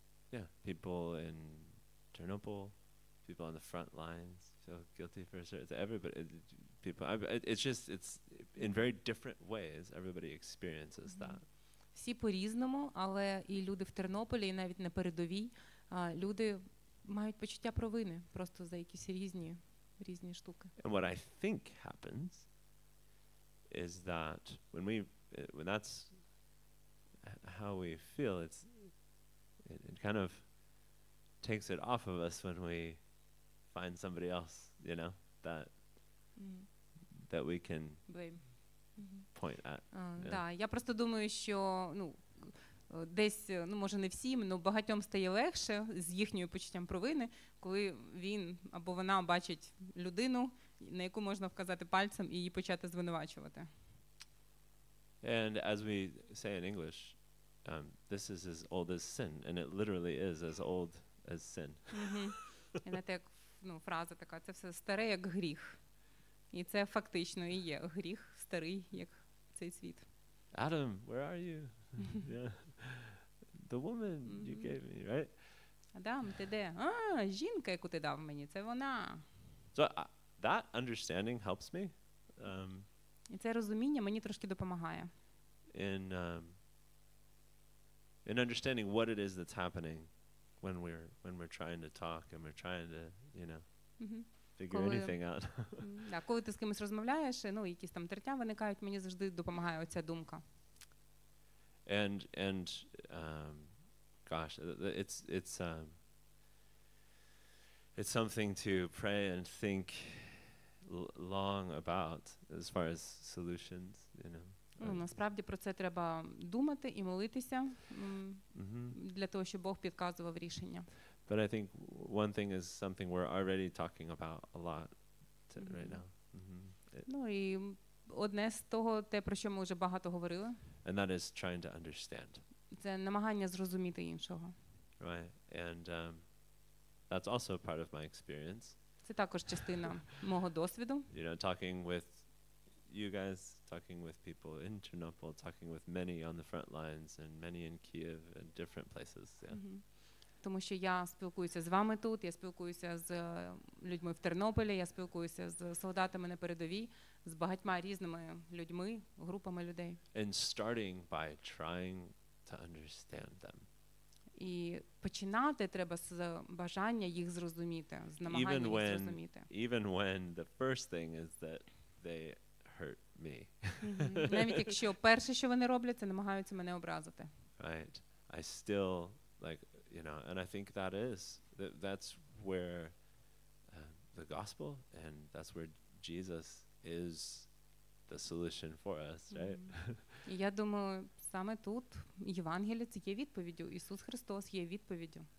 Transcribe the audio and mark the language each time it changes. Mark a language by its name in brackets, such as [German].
[English] Yeah, people in Chernobyl, people on the front lines feel guilty for certain things. Everybody, it's in very different ways, everybody experiences that. [Ukrainian] Всі по-різному, але і люди в Тернополі, і навіть на передовій, люди мають почуття провини просто за якісь різні штуки. [English] And what I think happens is that when that's how we feel, it kind of takes it off of us when we find somebody else, you know, that we can blame. Point at. [Ukrainian] Да, я просто думаю, що, ну, десь, ну, може, не всім, но багатьом стає легше з їхньою почуттям провини, коли він або вона бачить людину, на яку можна вказати пальцем і її почати звинувачувати. [English] And as we say in English, this is as old as sin, and it literally is as old as sin. Угу. [Ukrainian] Це так, ну, фраза така, це все старе як гріх. І це фактично і є гріх старий, як цей світ. [English] Adam, where are you? Yeah. The woman you gave me, right? [Ukrainian] Адам, ти де? А, жінка, яку ти дав мені, це вона. [English] So that understanding helps me. [Ukrainian] І це розуміння мені трошки допомагає. [English] In understanding what it is that's happening when we're trying to talk and we're trying to, you know, figure anything out. [Ukrainian] Да, коли ти з кимось розмовляєш, ну, якісь там тертя виникають, мені завжди допомагає оця думка. [English] It's something to pray and think long about as far as solutions, you know. [Ukrainian] Ну, насправді про це треба думати і молитися для того, щоб Бог підказував рішення. [English] But I think one thing is something we're already talking about a lot right now. [Ukrainian] Ну, і одне з того, те, про що ми вже багато говорили. [English] And that is trying to understand. [Ukrainian] Це намагання зрозуміти іншого. [English] Right. And that's also part of my experience. [Ukrainian] Це також частина мого досвіду. [English] You know, talking with you guys, talking with people in Chernobyl, talking with many on the front lines and many in Kiev and different places. Yeah. [Ukrainian] Тому що я спілкуюся з вами тут, я спілкуюся з людьми в Тернополі, я спілкуюся з солдатами на передовій, з багатьма різними людьми, групами людей. [English] And starting by trying to understand them. [Ukrainian] І починати треба з бажання їх зрозуміти, з намагання [English] even [Ukrainian] їх [English] when, [Ukrainian] зрозуміти. [English] Even when the first thing is that they hurt me. [Ukrainian] Навіть якщо перше, що вони роблять, це намагаються мене образити. [English] Right. I still, like, you know, and I think that is that's where the gospel and that's where Jesus is the solution for us, right? [Ukrainian] Я думаю, саме тут Євангеліє це є відповіддю. Ісус Христос є відповіддю.